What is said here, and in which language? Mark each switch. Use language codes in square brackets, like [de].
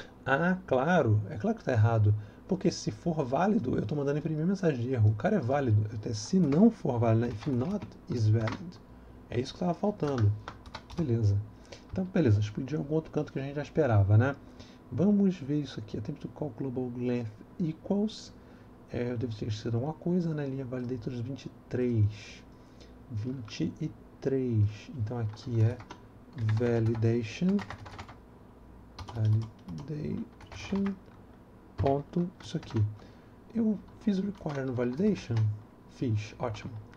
[pt] Ah, claro. É claro que tá errado. Porque se for válido, eu tô mandando imprimir mensagem de erro. O cara é válido. Até se não for válido, [en] if not is valid. [pt] É isso que tava faltando. Beleza. Então, beleza. Explodiu algum outro canto que a gente já esperava, né? Vamos ver isso aqui. [en] Attempt to call global length equals. [pt] Eu devo ter esquecido alguma coisa, né? Linha validators 23. 23. Então, aqui é validation. Validation. Ponto. Isso aqui. Eu fiz o require no validation? Fiz. Ótimo.